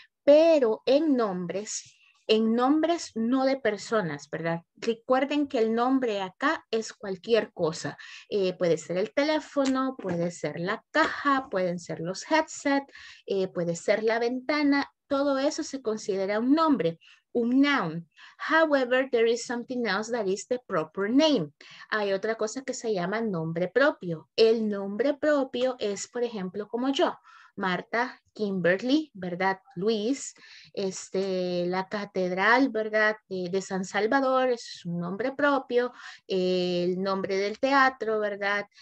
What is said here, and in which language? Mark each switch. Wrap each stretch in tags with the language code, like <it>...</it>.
<es>Pero en nombres no de personas, ¿verdad? Recuerden que el nombre acá es cualquier cosa. Puede ser el teléfono, puede ser la caja, pueden ser los headsets, puede ser la ventana. Todo eso se considera un nombre, un noun.</es> <en>However, there is something else that is the proper name.</en> <es>Hay otra cosa que se llama nombre propio. El nombre propio es, por ejemplo, como yo. Marta, Kimberly, ¿verdad? Luis, este, la catedral, ¿verdad? De San Salvador, es un nombre propio, el nombre del teatro, ¿verdad?</es>